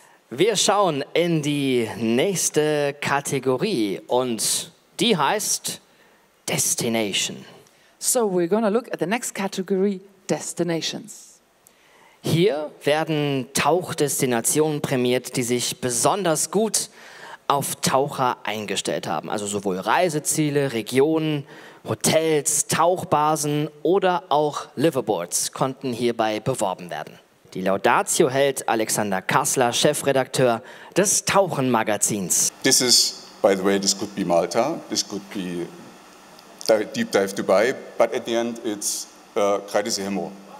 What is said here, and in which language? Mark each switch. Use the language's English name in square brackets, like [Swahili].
[German] Wir schauen in die nächste Kategorie und die heißt Destination. [English] So we're gonna look at the next category, Destinations. [German] Hier werden Tauchdestinationen prämiert, die sich besonders gut auf Taucher eingestellt haben. Also sowohl Reiseziele, Regionen, Hotels, Tauchbasen oder auch Liveaboards konnten hierbei beworben werden. Die Laudatio hält Alexander Kassler, Chefredakteur des Tauchenmagazins. [English] This is, by the way, this could be Malta, this could be Deep Dive Dubai, but at the end it's Kreides Hemmo.